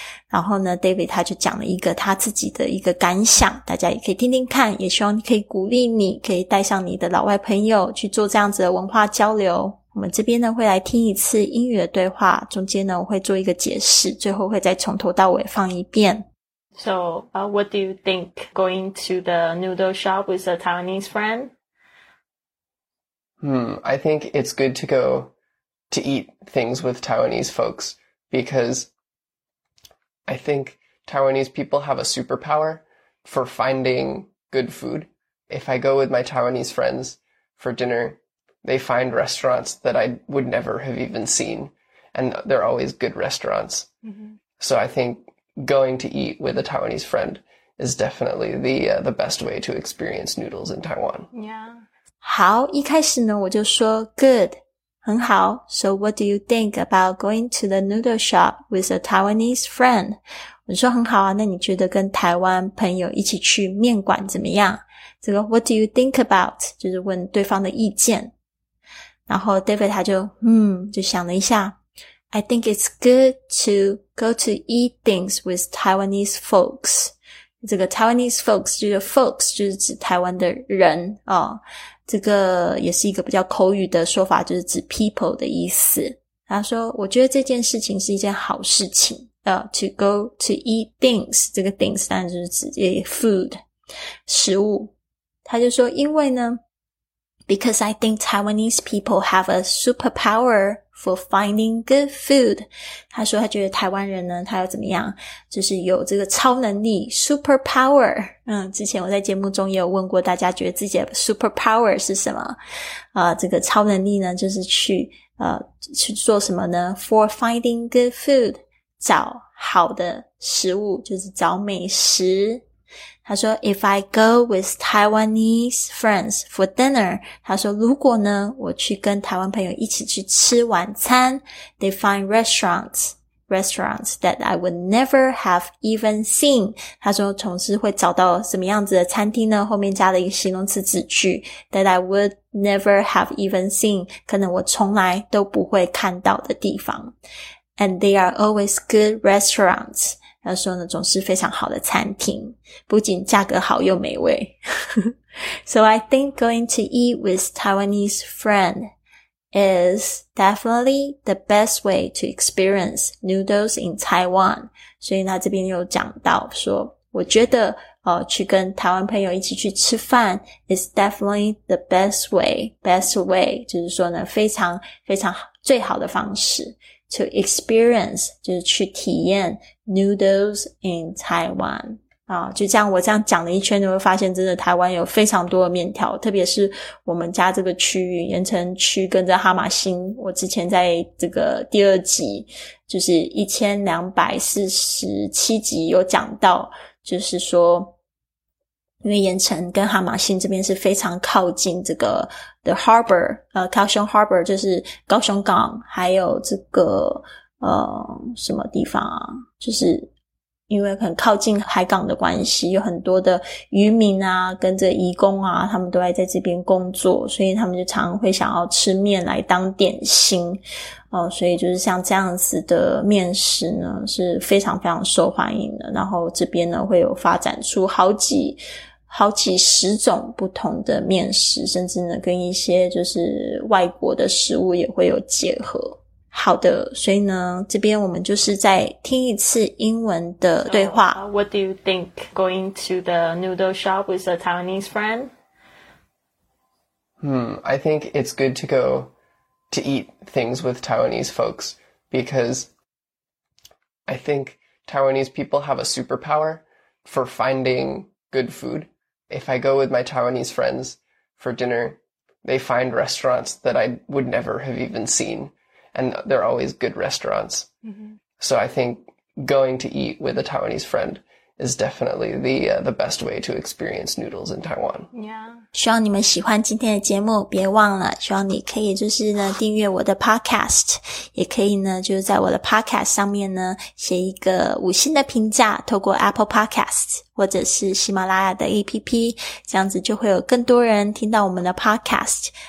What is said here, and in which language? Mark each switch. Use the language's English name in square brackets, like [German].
[Chinese] 然后呢 David 他就讲了一个他自己的一个感想，大家也可以听听看，也希望可以鼓励你可以带上你的老外朋友去做这样子的文化交流。我们这边呢会来听一次英语的对话，中间呢我会做一个解释，最后会再从头到尾放一遍。 [English] So, what do you think? Going to the noodle shop with a Taiwanese friend? I think it's good to go to eat things with Taiwanese folks because I think Taiwanese people have a superpower for finding good food. If I go with my Taiwanese friends for dinner, they find restaurants that I would never have even seen, and they're always good restaurants. So I think going to eat with a Taiwanese friend is definitely the best way to experience noodles in Taiwan. Yeah. [Chinese] 好，一开始呢，我就说 good, 很好。 [English] So what do you think about going to the noodle shop with a Taiwanese friend? [Chinese] 我说很好啊，那你觉得跟台湾朋友一起去面馆怎么样？这个 what do you think about? 就是问对方的意见。 [English] 然后 David 他就就想了一下， I think it's good to go to eat things with Taiwanese folks. [Chinese] 这个 Taiwanese folks 就是 folks 就是指台湾的人哦，这个也是一个比较口语的说法，就是指 people 的意思。他说我觉得这件事情是一件好事情， to go to eat things，这个 things 当然就是指 food 食物。 [English] 他就说因为呢， Because I think Taiwanese people have a superpower for finding good food. [Chinese] 他说他觉得台湾人呢，他要怎么样，就是有这个超能力 superpower。之前我在节目中也有问过大家，觉得自己的 superpower 是什么？这个超能力呢，就是去做什么呢 ？ For finding good food，找好的食物，就是找美食。 [English] 他说 if I go with Taiwanese friends for dinner, 他说如果呢我去跟台湾朋友一起去吃晚餐， they find restaurants that I would never have even seen. [Chinese] 他说总是会找到什么样子的餐厅呢，后面加了一个形容词子句 that I would never have even seen, 可能我从来都不会看到的地方。 [English] And they are always good restaurants. [Chinese] 他说呢，总是非常好的餐厅，不仅价格好又美味。 [English] So I think going to eat with Taiwanese friend is definitely the best way to experience noodles in Taiwan. [Chinese] 所以他这边又讲到说，我觉得去跟台湾朋友一起去吃饭 is definitely the best way, 就是说呢，非常非常最好的方式。 [English] To experience, 就是去体验 noodles in Taiwan. [Chinese] 就这样我这样讲了一圈，你会发现真的台湾有非常多的面条，特别是我们家这个区域盐城区跟着哈马星，我之前在这个第二集就是1247集有讲到，就是说因为盐城跟哈马星这边是非常靠近这个 The Harbor, 高雄 Harbor 就是高雄港，还有这个什么地方啊，就是因为很靠近海港的关系，有很多的渔民啊跟着移工啊，他们都在这边工作，所以他们就常常会想要吃面来当点心，所以就是像这样子的面食呢是非常非常受欢迎的，然后这边呢会有发展出好几十种不同的面食，甚至呢跟一些就是外国的食物也会有结合。好的，所以呢这边我们就是再听一次英文的对话。 [English] So, what do you think going to the noodle shop with a Taiwanese friend? I think it's good to go to eat things with Taiwanese folks because I think Taiwanese people have a superpower for finding good food. If I go with my Taiwanese friends for dinner, they find restaurants that I would never have even seen. And they're always good restaurants. Mm-hmm. So I think going to eat with a Taiwanese friend is definitely the best way to experience noodles in Taiwan. Yeah. [Chinese] 希望你们喜欢今天的节目，别忘了，希望你可以就是呢订阅我的 podcast， 也可以呢就是在我的 podcast 上面呢写一个五星的评价，透过 Apple Podcast 或者是喜马拉雅的 APP， 这样子就会有更多人听到我们的 podcast。